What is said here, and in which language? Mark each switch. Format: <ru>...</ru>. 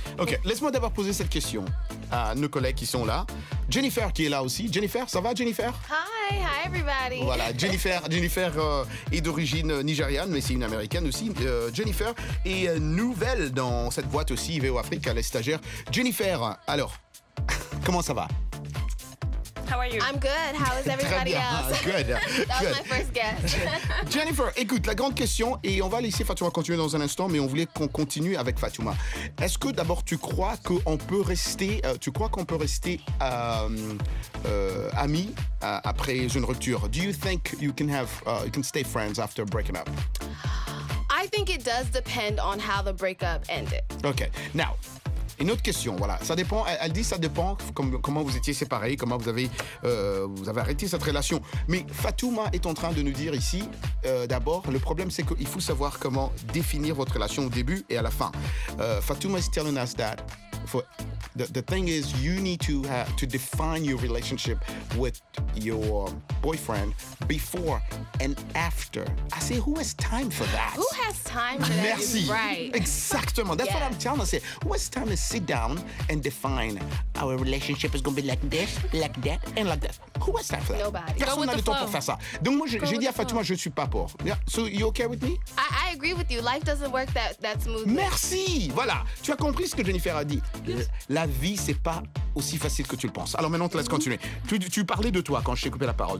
<fr>Ok, laisse-moi d'abord poser cette question à nos collègues qui sont là. Jennifer qui est là aussi. Jennifer, ça va Jennifer?</fr> <en>Hi, hi everybody.</en> <fr>Voilà, Jennifer est d'origine nigériane, mais c'est une américaine aussi. Jennifer est nouvelle dans cette boîte aussi, VO Afrique, elle est stagiaire. Jennifer, alors, comment ça va?</fr> <en>How are you? I'm good. How is everybody else? Good. That was good. My first guess.</en> <fr>Jennifer, écoute, la grande question, et on va laisser Fatouma continuer dans un instant, mais on voulait qu'on continue avec Fatouma. Est-ce que d'abord tu crois qu'on peut rester, amis après une rupture?</fr> <en>Do you think you can stay friends after breaking up? I think it does depend on how the breakup ended. Okay. Now.</en> <fr>Une autre question, voilà. Ça dépend, elle dit ça dépend comment vous étiez séparés, comment vous avez arrêté cette relation. Mais Fatouma est en train de nous dire ici, d'abord, le problème, c'est qu'il faut savoir comment définir votre relation au début et à la fin.</fr> <en>Fatouma is telling us that the thing is you need to define your relationship with your boyfriend before and after. I say, who has time for that? Who has time for that?</en> <fr>Merci.</fr> <en>Right.</en> <fr>Exactement.</fr> <en>That's what I'm telling us. Who has time to sit down and define our relationship is going to be like this, like that, and like that? Who has time for that? Nobody.</en> <fr>Personne n'a le temps pour faire ça. Donc moi, j'ai dit à Fatouma, je ne suis pas pour.</fr> <en>Yeah. So, you okay with me? I agree with you. Life doesn't work that smoothly.</en> <fr>Merci. Voilà. Tu as compris ce que Jennifer a dit. La vie, ce n'est pas aussi facile que tu le penses. Alors maintenant, on te laisse continuer. Tu parlais de toi quand je t'ai coupé la parole.</fr>